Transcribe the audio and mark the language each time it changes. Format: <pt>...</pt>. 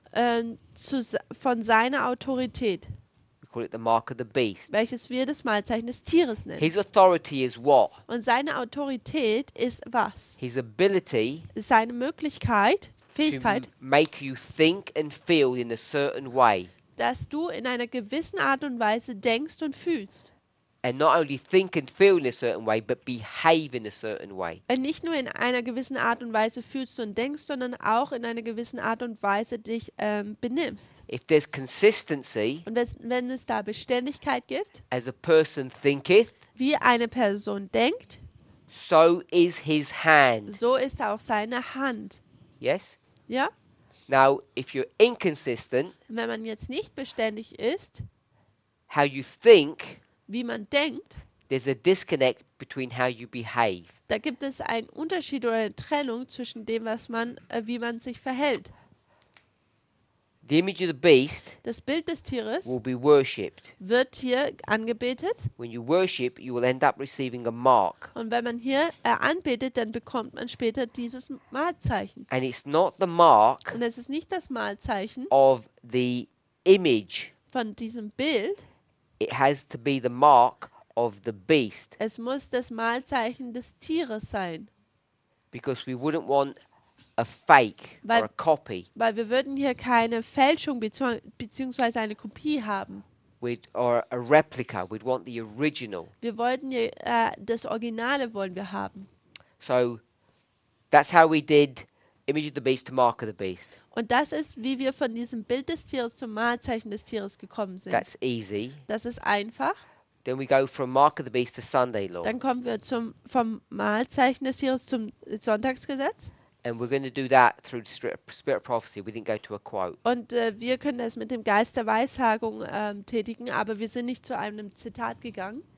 <de>Von seiner Autorität.</de> <en>We call it the mark of the beast.</en> <de>Welches wir das Markzeichen des Tieres nennen.</de> <en>His authority is what?</en> <de>Und seine Autorität ist was?</de> <en>His ability.</en> <de>Seine Möglichkeit. Fähigkeit,</de> <en>to make you think and feel in a certain way.</en> <de>Dass du in einer gewissen Art und Weise denkst und fühlst.</de> <en>And not only think and feel in a certain way, but behave in a certain way.</en> <de>Und nicht nur in einer gewissen Art und Weise fühlst und denkst, sondern auch in einer gewissen Art und Weise dich benimmst.</de> <en>If there's consistency,</en> <de>und wenn es da Beständigkeit gibt,</de> <en>as a person thinketh,</en> <de>wie eine Person denkt,</de> <en>so is his hand.</en> <de>So ist auch seine Hand.</de> <en>Yes.</en> <de>Ja.</de> <en>Now, if you're inconsistent,</en> <de>wenn man jetzt nicht beständig ist,</de> <en>how you think,</en> <de>wie man denkt,</de> <en>there's a disconnect between how you behave.</en> <de>Da gibt es einen Unterschied oder eine Trennung zwischen dem, was man, wie man sich verhält.</de> <en>The image of the beast,</en> <de>das Bild des Tieres,</de> <en>will be worshipped.</en> <de>Wird hier angebetet.</de> <en>When you worship, you will end up receiving a mark.</en> <de>Und wenn man hier anbetet, dann bekommt man später dieses Markzeichen.</de> <en>And it's not the mark.</en> <de>Und es ist nicht das Markzeichen.</de> <en>Of the image.</en> <de>Von diesem Bild.</de> <en>It has to be the mark of the beast.</en> <de>Es muss das Markzeichen des Tieres sein.</de> <en>Because we wouldn't want a fake,</en> <de>weil,</de> <en>or a copy.</en> <de>Weil wir würden hier keine Fälschung beziehungsweise eine Kopie haben.</de> <en>Or a replica. We'd want the original.</en> <de>Wir wollten hier das Originale wollen wir haben.</de> <en>So, that's how we did image of the beast to mark of the beast.</en> <de>Und das ist, wie wir von diesem Bild des Tieres zum Malzeichen des Tieres gekommen sind.</de> <en>That's easy.</en> <de>Das ist einfach.</de> <en>Then we go from mark of the beast to Sunday law.</en> <de>Dann kommen wir zum vom Malzeichen des Tieres zum Sonntagsgesetz.</de> <en>And we're going to do that through the spirit of prophecy. We didn't go to a quote.</en> <de>Und wir können es mit dem Geist der Weissagung tätigen, aber wir sind nicht zu einem Zitat gegangen.</de>